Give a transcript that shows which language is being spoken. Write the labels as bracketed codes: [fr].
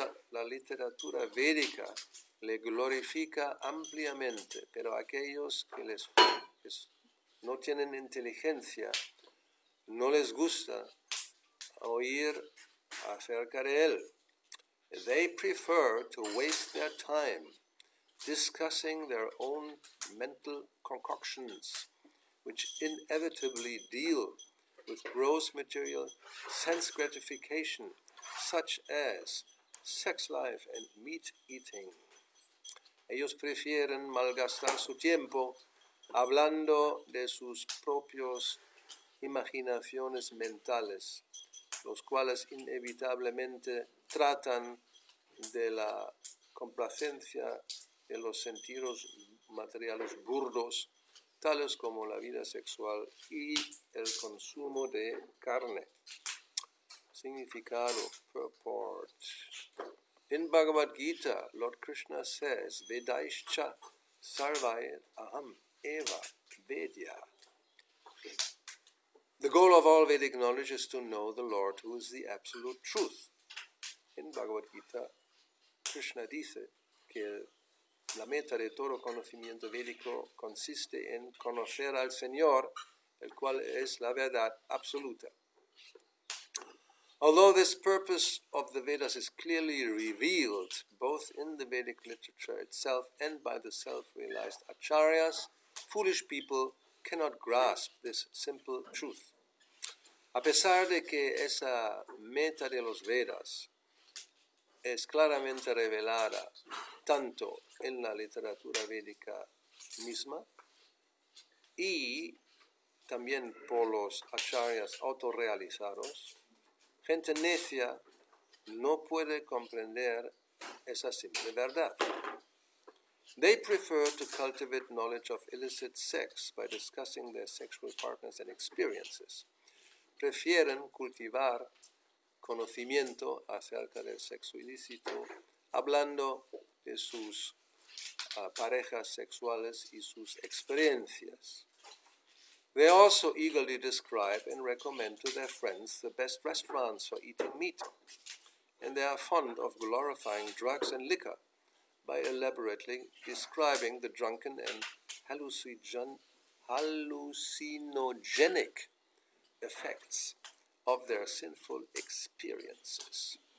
[es] La literatura védica le glorifica ampliamente, pero aquellos que no tienen inteligencia no les gusta oír acerca de él. [en] They prefer to waste their time discussing their own mental concoctions, which inevitably deal with gross material sense gratification, such as sex life and meat eating. [es] Ellos prefieren malgastar su tiempo hablando de sus propios imaginaciones mentales, los cuales inevitablemente tratan de la complacencia de los sentidos materiales burdos, tales como la vida sexual y el consumo de carne. [en] Significado, purport. In Bhagavad Gita, Lord Krishna says, [sa] Vedaischa sarvai aham eva vedya. [en] The goal of all Vedic knowledge is to know the Lord, who is the absolute truth. [es] In Bhagavad Gita, Krishna dice que la meta de todo conocimiento védico consiste en conocer al Señor, el cual es la verdad absoluta. [en] Although this purpose of the Vedas is clearly revealed, both in the Vedic literature itself and by the self-realized acharyas, foolish people cannot grasp this simple truth. [es] A pesar de que esa meta de los Vedas es claramente revelada tanto en la literatura védica misma y también por los acharyas autorrealizados, gente necia no puede comprender esa simple verdad. [en] They prefer to cultivate knowledge of illicit sex by discussing their sexual partners and experiences. [es] Prefieren cultivar conocimiento acerca del sexo ilícito hablando de sus parejas sexuales y sus experiencias. [en] They also eagerly describe and recommend to their friends the best restaurants for eating meat, and they are fond of glorifying drugs and liquor by elaborately describing the drunken and hallucinogenic effects of their sinful experiences.